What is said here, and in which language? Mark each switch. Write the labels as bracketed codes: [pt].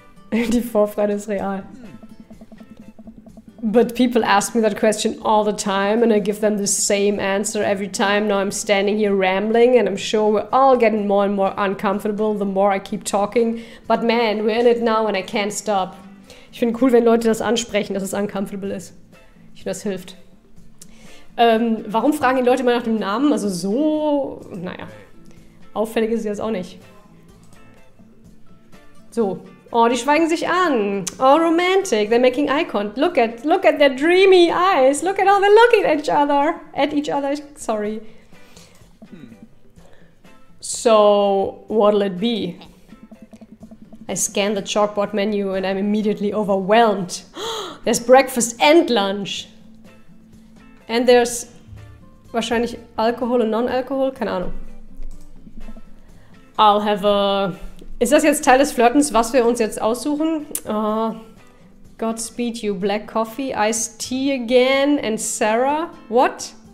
[de] Die Vorfreude ist real. [en] But people ask me that question all the time and I give them the same answer every time. Now I'm standing here rambling and I'm sure we're all getting more and more uncomfortable the more I keep talking. But man, we're in it now and I can't stop. [de] Ich finde cool, wenn Leute das ansprechen, dass es uncomfortable ist. Ich finde, das hilft. Warum fragen die Leute immer nach dem Namen? Also so, naja. Auffällig ist sie das auch nicht. So. Oh, die schweigen sich an. [en] Oh, romantic. They're making eye contact. Look at their dreamy eyes. Look at how they're looking at each other. Sorry. So, what'll it be? I scan the chalkboard menu and I'm immediately overwhelmed. There's breakfast and lunch. And there's [de] wahrscheinlich Alkohol und Non-Alkohol. Keine Ahnung. [en] I'll have a... [de] Ist das jetzt Teil des Flirtens, was wir uns jetzt aussuchen? [en] Oh, Godspeed you, black coffee, iced tea again, and Sarah, what?